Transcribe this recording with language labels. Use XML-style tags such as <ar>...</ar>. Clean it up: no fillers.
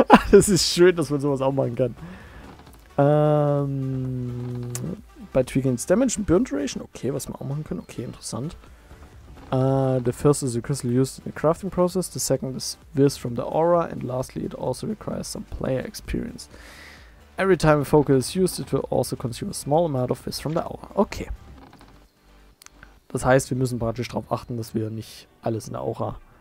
<de>Das ist schön, dass man sowas auch machen kann.</de> <en>By tweaking its damage and burn duration.</en> <de>Okay, was wir auch machen können. Okay, interessant.</de> <en>The first is a crystal used in the crafting process. The second is this from the aura. And lastly, it also requires some player experience. Every time a focus is used, it will also consume a small amount of this from the aura. Okay.</en> <de>Das heißt, wir müssen praktisch darauf achten, dass wir nicht alles in der Aura.</de>